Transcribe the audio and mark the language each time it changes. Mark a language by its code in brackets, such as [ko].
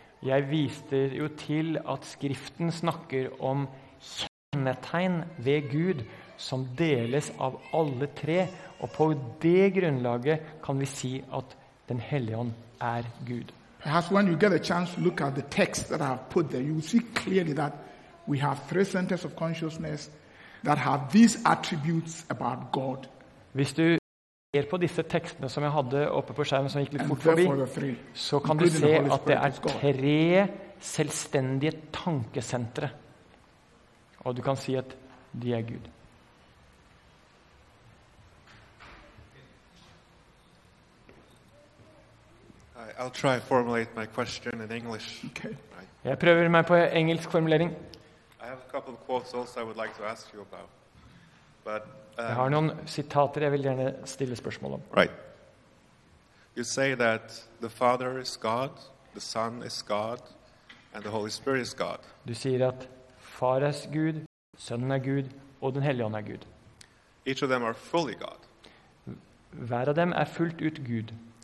[no] Jeg viste jo til at skriften snakker om kjennetegn ved Gud som deles av alle tre. Og på det grunnlaget kan vi si at den hellige ånd er Gud. [en] Perhaps when you get a chance to look at the text that I have put there, you will see clearly that we have three centers of consciousness that have these attributes about God. [no] Hvis du ser på disse tekstene som jeg hadde oppe på skjermen som gikk litt fort forbi, så kan du se at det er tre selvstendige tankesentre. Og du kan si at de er Gud. [en] I'll try to formulate my question in English. Okay. [no] Jeg prøver meg på engelsk formulering. [en] I have a couple of quotes also I would like to ask you about. But [no] jeg har noen sitater jeg vil gjerne stille spørsmål om. Right. [en] You say that the Father is God, the Son is God, and the Holy Spirit is God. [no] Du sier at far er Gud, sønnen er Gud, og den hellige ånd er Gud. [en] Each of them are fully God. [no] Hver av dem er fullt ut Gud.